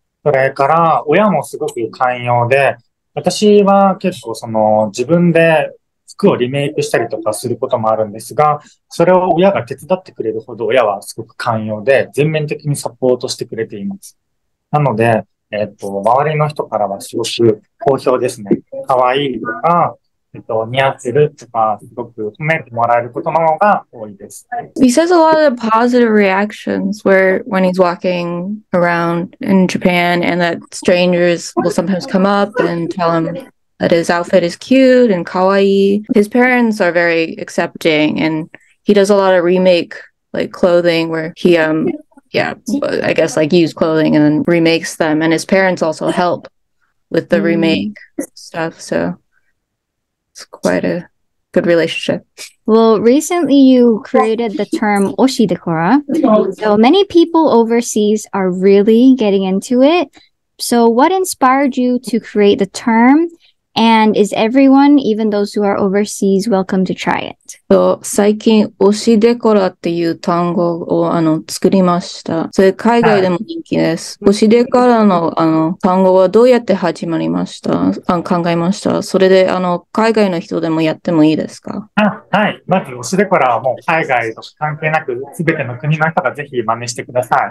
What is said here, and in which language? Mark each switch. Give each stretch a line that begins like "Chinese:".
Japanese: それから親もすごく寛容で、私は結構その自分で服をリメイクしたりとかすることもあるんですが、それを親が手伝ってくれるほど親はすごく寛容で全面的にサポートしてくれています。なので、周りの人からはすごく好評ですね。可愛いとか、似合ってるとか、すごく褒めてもらえることの方が多いです。
English: He says a lot of positive reactions when he's walking around in Japan and that strangers will sometimes come up and tell him that his outfit is cute and kawaii. His parents are very accepting and he does a lot of remake like clothing where he, I guess like used clothing and then remakes them. And his parents also help with the remake stuff. So it's quite a good relationship. Well, recently you created the term Oshi Decora. So many people overseas are really getting into it. So what inspired you to create the term? And is everyone, even those who are overseas, welcome to try it?
Japanese: So, 最近、Oshi Decora っていう単語を作りました。それ海外でも人気です。Oshi Decora の単語はどうやって始まりました？考えました。それで海外の人でもやってもいいですか？はい。まず、Oshi Decoraはもう海外と関係なく、すべての国の人がぜひ真似してください。